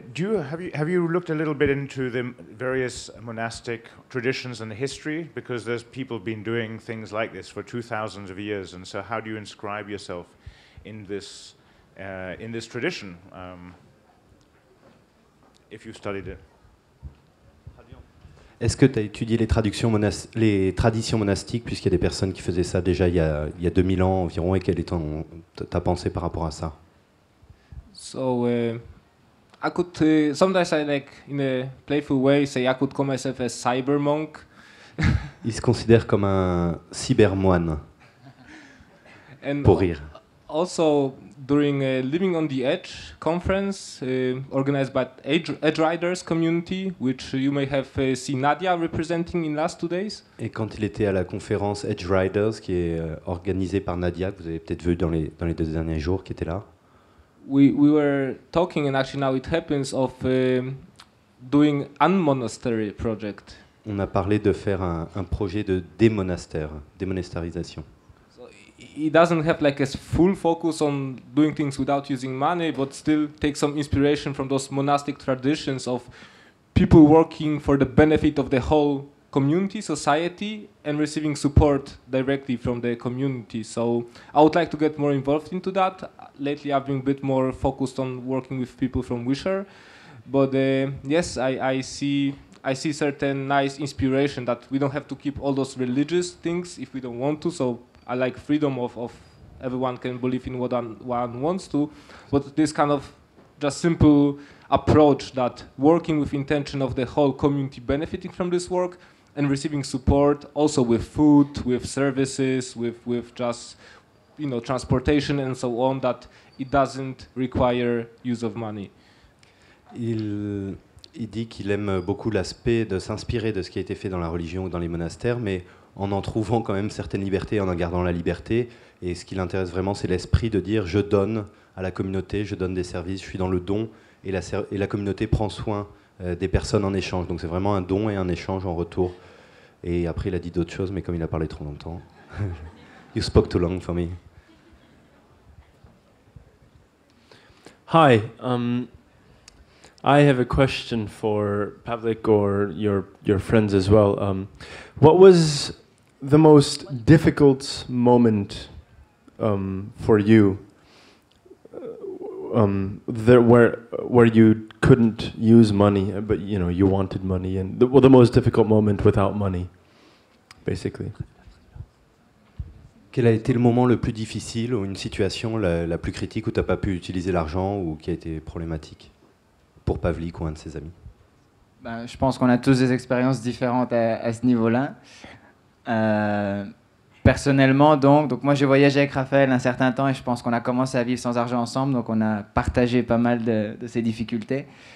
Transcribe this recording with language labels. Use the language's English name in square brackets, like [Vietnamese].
[English] Have you looked a little bit into the various monastic traditions and the history? Because there's people been doing things like this for 2,000 of years, and so how do you inscribe yourself in this tradition? If you studied it. [French] Est-ce que tu as étudié les traditions monastiques, puisqu'il y a des personnes qui faisaient ça déjà il y a 2000 ans environ, et quelle est ta pensée par rapport à ça? [English] So, I could, sometimes I like, in a playful way, say I could call myself a cyber monk. [French] Il se considère comme un cybermoine, pour rire. [English] Also, during a Living on the Edge conference organized by Edge Riders community, which you may have seen Nadia representing in last 2 days. [French] Et quand il était à la conférence Edge Riders, qui est organisée par Nadia, que vous avez peut-être vu dans les 2 derniers jours, qui était là. [English] We were talking, and actually now it happens of doing unmonastery project. [French] On a parlé de faire un projet de démonastérisation. [English] He doesn't have like a full focus on doing things without using money, but still takes some inspiration from those monastic traditions of people working for the benefit of the whole community, society, and receiving support directly from the community. So I would like to get more involved into that. Lately, I've been a bit more focused on working with people from Wisher, but yes, I see certain nice inspiration that we don't have to keep all those religious things if we don't want to. So I like freedom of everyone can believe in what one wants to, but this kind of just simple approach that working with intention of the whole community benefiting from this work and receiving support also with food, with services, with just, you know, transportation and so on, that it doesn't require use of money. [French] Il dit qu'il aime beaucoup l'aspect de s'inspirer de ce qui a été fait dans la religion ou dans les monastères, mais en trouvant quand même certaines libertés, en gardant la liberté. Et ce qui l'intéresse vraiment, c'est l'esprit de dire je donne à la communauté, je donne des services, je suis dans le don, et la communauté prend soin des personnes en échange. Donc c'est vraiment un don et un échange en retour. Et après, il a dit d'autres choses, mais comme il a parlé trop longtemps. [English] You spoke too long for me. Hi. I have a question for Pavlik or your friends as well. What was the most difficult moment for you where you couldn't use money, but you know you wanted money, and the most difficult moment without money, basically? [French] Quel a été le moment le plus difficile ou une situation la plus critique où tu n'as pas pu utiliser l'argent ou qui a été problématique? Pour Pavlik ou un de ses amis. Je pense qu'on a tous des expériences différentes à ce niveau-là. Personnellement, donc moi j'ai voyagé avec Raphaël un certain temps et je pense qu'on a commencé à vivre sans argent ensemble, donc on a partagé pas mal de ces difficultés.